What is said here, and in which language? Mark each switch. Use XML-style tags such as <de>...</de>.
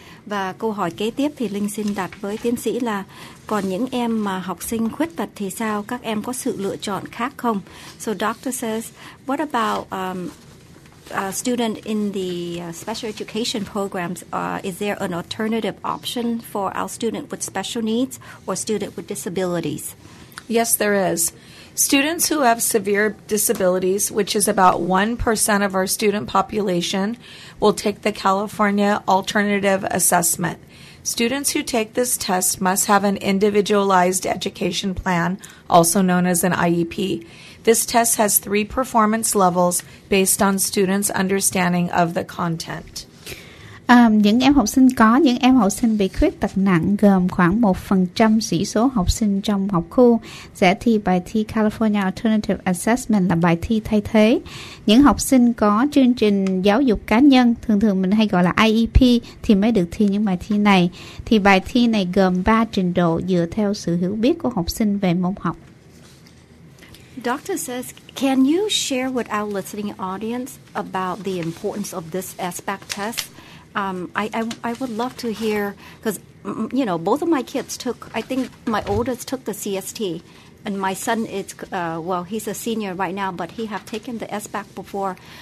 <vi>Và câu hỏi kế tiếp thì Linh xin đặt với tiến sĩ là: còn những em mà học sinh khuyết tật thì sao? Các em có sự lựa chọn khác không?</vi> <en>So doctor says, what about student in the special education programs? Is there an alternative option for our student with special needs or student with disabilities? Yes, there is. Students who have severe disabilities, which is about 1% of our student population, will take the California Alternative Assessment. Students who take this test must have an individualized education plan, also known as an IEP. This test has three performance levels based on students' understanding of the content.</en> <vi>Những em học sinh có những em học sinh bị khuyết tật nặng gồm khoảng 1% sĩ số học sinh trong học khu sẽ thi bài thi California Alternative Assessment là bài thi thay thế. Những học sinh có chương trình giáo dục cá nhân, thường thường mình hay gọi là IEP, thì mới được thi những bài thi này. Thì bài thi này gồm 3 trình độ dựa theo sự hiểu biết của học sinh về môn học.</vi> <en>Doctor says, can you share with our listening audience about the importance of this SBAC test? I would love to hear, because, you know, both of my kids took, I think my oldest took the CST, and my son is, well, he's a senior right now, but he have taken the SBAC before.</en>